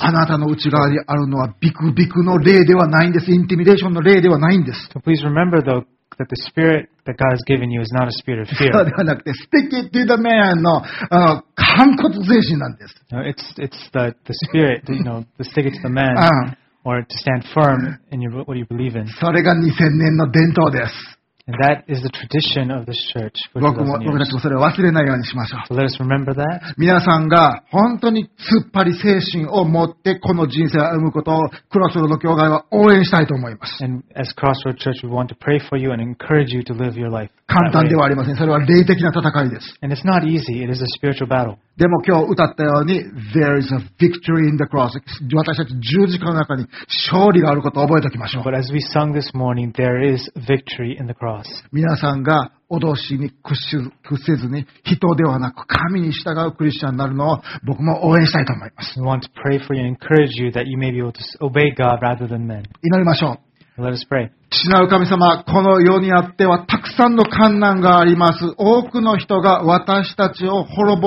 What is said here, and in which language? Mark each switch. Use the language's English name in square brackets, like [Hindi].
[Japanese] あなたの内側にあるのはビクビクの霊ではないんです。インティミデーションの霊ではないんです。 [English] So、please remember thoughThat the spirit that God has given you is not a spirit of fear. [Japanese] そうではなくて、 [English] stick it to the man [Japanese] の反骨精神なんです。 [English] No, it's the spirit, you know, to stick it to the man, or to stand firm in what you believe in. [Japanese] それが2000年の伝統です。 [English] And that is the tradition of this church. [Japanese] 僕たちもそれを忘れないようにしましょう。 [English] So let us remember that. [Japanese] 皆さんが本当に突っ張り精神を持ってこの人生を歩むことをクロスロード教会は応援したいと思います。 [English] And as Crossroad Church, we want to pray for you and encourage you to live your life. [Japanese] 簡単ではありません。それは霊的な戦いです。 [English] And it's not easy. It is a spiritual battle. [Japanese] でも今日歌ったように、 [English] There is a victory in the cross. [Japanese] 私たち十字架の中に勝利があることを覚えておきましょう。 [English] But as we sung this morning, there is victory in the cross. [Japanese] 皆さんが脅しに屈せずに人ではなく神に従うクリスチャンになるのを僕も応援したいと思います。 [English] We want to pray for you and encourage you that you may be able to obey God rather than men. [Japanese] 祈りましょう。 [English] Let us pray. [Japanese] 父なる神様、この世にあってはたくさんの困難があります。多くの人が私たちを滅ぼ